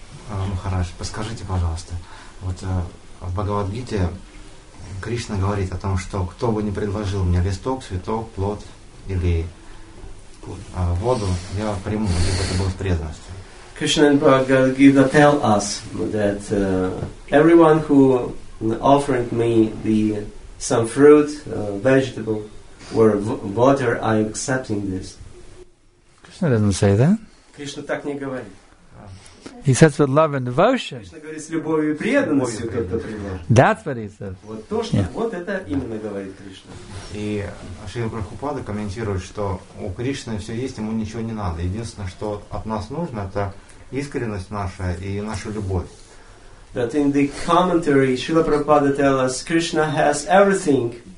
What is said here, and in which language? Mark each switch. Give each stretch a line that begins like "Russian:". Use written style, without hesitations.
Russian: Махарадж, подскажите, пожалуйста, вот в Бхагавад-гите Кришна говорит о том, что кто бы ни предложил мне листок, цветок, плод или воду, я приму, либо это было с преданностью.
English: Krishna and Bhagavad-gita tell us that everyone who offered me some fruit, vegetable, or water, I am accepting this. Krishna doesn't say that.
Russian: Krishna так не говорит.
English: He says with love and devotion.
Russian: Говорит, с любовью и преданностью кто-то предложит.
English: That's what he says.
Russian: Вот то, что, yeah. Вот это именно говорит Кришна. И Шрила Прабхупада комментирует, что у Кришны все есть, ему ничего не надо. Единственное, что от нас нужно, это искренность наша и наша любовь.
English: That in the commentary Шрила Прабхупада tells us Krishna has everything.